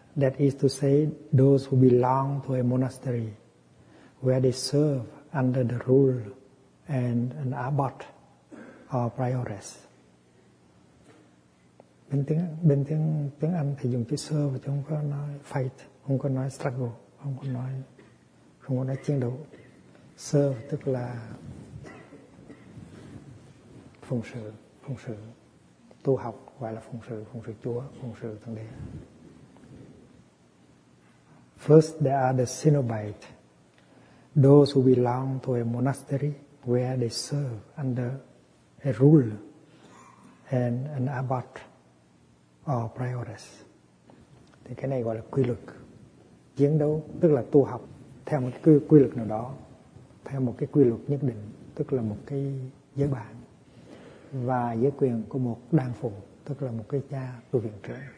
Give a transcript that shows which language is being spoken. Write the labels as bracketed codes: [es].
[en] That is to say, those who belong to a monastery where they serve under the rule and an abbot or prioress. [vi] Bên tiếng Anh thì dùng chữ serve, chứ không có nói fight, không có nói struggle, không có nói chiến đấu. Serve tức là phụng sự, tu học gọi là phụng sự Chúa, phụng sự Thượng Đế. [en] First, there are the Cenobites, those who belong to a monastery where they serve under a rule and an abbot or prioress. [vi] Thì cái này gọi là quy luật, chiến đấu tức là tu học theo một cái quy luật nào đó, theo một cái quy luật nhất định, tức là một cái giới bản, và giới quyền của một đan phụ, tức là một cái cha tu viện trưởng.